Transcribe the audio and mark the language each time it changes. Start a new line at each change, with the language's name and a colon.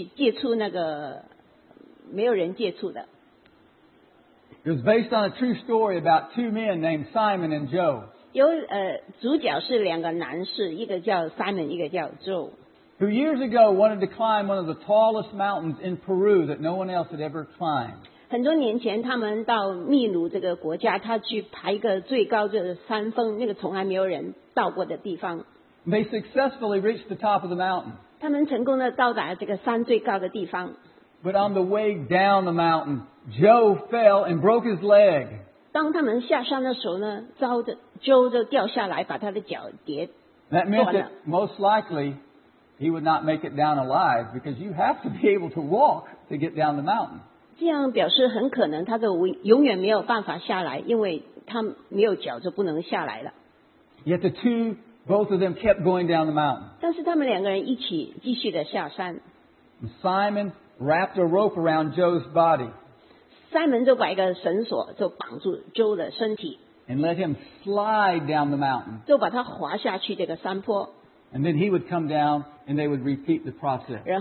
Chinese: 几年前我看一个电影，它叫去接触那个没有人接触的。
English: It was based on a true story about two men named Simon and Joe.
Chinese: 主角是两个男士，一个叫Simon，一个叫Joe。
English: Who years ago wanted to climb one of the tallest mountains in Peru that no one else had ever climbed.
Chinese: 很多年前，他们到秘鲁这个国家，他去爬一个最高的山峰，那个从来没有人到过的地方。
English: They successfully reached the top of the mountain.
Chinese: 他们成功的到达这个山最高的地方。
English: But on the way down the mountain, Joe fell and broke his leg.
Chinese: 当他们下山的时候呢，Joe就掉下来，把他的脚跌断了。
English: That meant that most likely he would not make it down alive because you have to be able to walk to get down the mountain.
Chinese: 这样表示很可能他永远没有办法下来，因为他没有脚就不能下来了。
English: Yet the two, both of them, kept going down the mountain.
Chinese: 但是他们两个人一起继续的下山。
English: Simon wrapped a rope around Joe's body.
Chinese: Simon 就把一个绳索绑住Joe的身体。
English: And let him slide down the mountain.
Chinese: 就把他滑下去这个山坡。
English: And then he would come down and they would repeat the process.